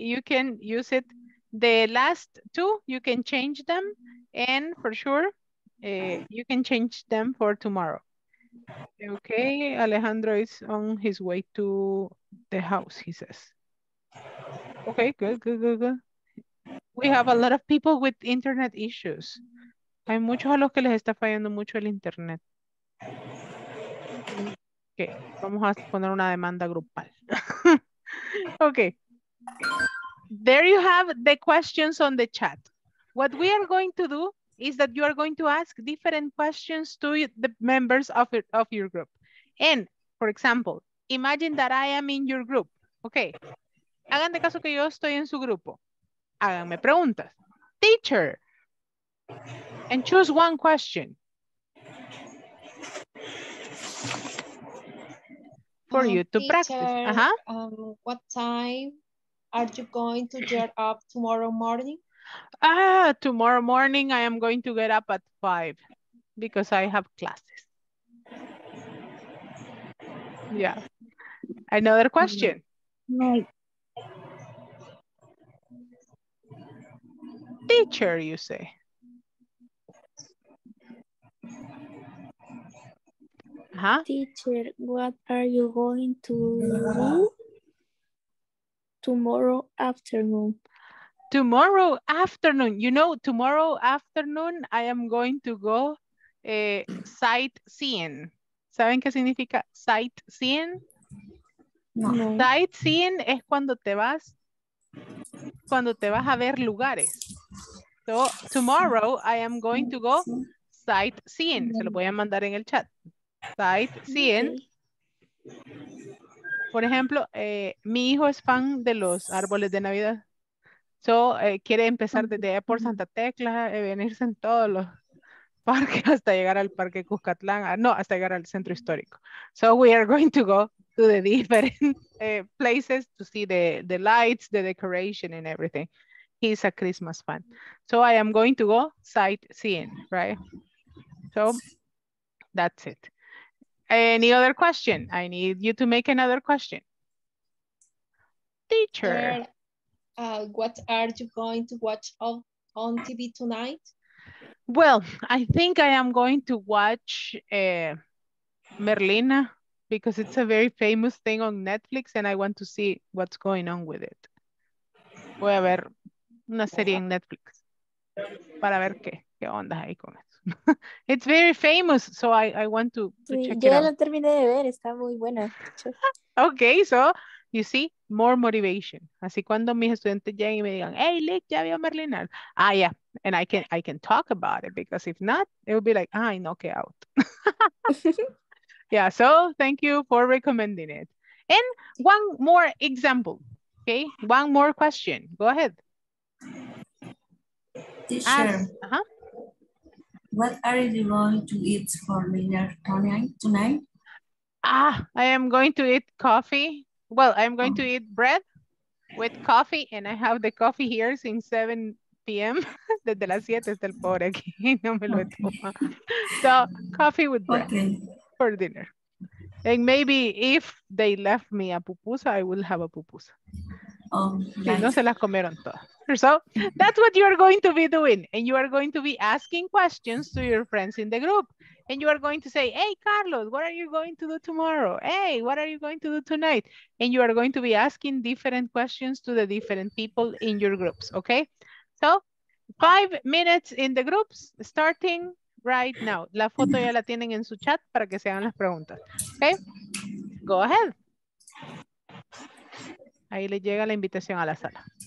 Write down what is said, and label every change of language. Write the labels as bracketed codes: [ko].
[en] You can use it. The last two, you can change them. And for sure, You can change them for tomorrow. Okay, Alejandro is on his way to the house, he says. Okay, good, good, good, good. We have a lot of people with internet issues. [es] Hay muchos a los que les está fallando mucho el internet. Okay, vamos a poner una demanda grupal. Okay. [en] There you have the questions on the chat. What we are going to do is that you are going to ask different questions to the members of your group. And, for example, imagine that I am in your group. Okay. [es] Hagan de caso que yo estoy en su grupo. Háganme preguntas. Teacher. And choose one question. [en] For you to teacher, practice. Uh-huh. What time are you going to get up tomorrow morning? Tomorrow morning I am going to get up at 5 because I have classes. Yeah. Another question. No. Teacher, you say. Uh-huh. Teacher, what are you going to do tomorrow afternoon? Tomorrow afternoon, you know, tomorrow afternoon, I am going to go sightseeing. [es] ¿Saben qué significa sightseeing? No. Sightseeing es cuando te vas a ver lugares. [en] So, tomorrow I am going to go sightseeing. [es] Se lo voy a mandar en el chat. Sightseeing. Por ejemplo, mi hijo es fan de los árboles de Navidad. So, quiere empezar desde por Santa Tecla, venirse en todos los parques hasta llegar al Parque Cuscatlán. No, hasta llegar al Centro Histórico. [en] So, we are going to go to the different places to see the lights, the decoration and everything. He's a Christmas fan. So, I am going to go sightseeing, right? So, that's it. Any other question? I need you to make another question. Teacher. What are you going to watch on TV tonight? Well, I think I am going to watch Merlina because it's a very famous thing on Netflix and I want to see what's going on with it. [es] Voy a ver una serie en Netflix para ver qué onda ahí con eso. [en] It's very famous, so I want to check it out. [es] Yo la terminé de ver, está muy buena. [en] Okay, so you see, more motivation. [es] Así cuando mis estudiantes lleguen y me digan, hey, Lick, ¿ya vio Merlina? [en] Ah, yeah, and I can talk about it, because if not, it will be like, I knock it out. Yeah, so thank you for recommending it. And one more example, okay? One more question, go ahead. Teacher, what are you going to eat for dinner tonight? I am going to eat coffee. Well, I'm going to eat bread with coffee, and I have the coffee here since 7 p.m. [es] Desde las 7 está el pobre aquí, no me lo tomo. [en] So, coffee with bread for dinner. And maybe if they left me a pupusa, I will have a pupusa. Right. [es] Y no se las comieron todas. [en] So, that's what you're going to be doing. And you are going to be asking questions to your friends in the group. And you are going to say, hey, Carlos, what are you going to do tomorrow? Hey, what are you going to do tonight? And you are going to be asking different questions to the different people in your groups, okay? So, 5 minutes in the groups, starting right now. [es] La foto ya la tienen en su chat para que se hagan las preguntas. Okay? [en] Go ahead. [es] Ahí le llega la invitación a la sala.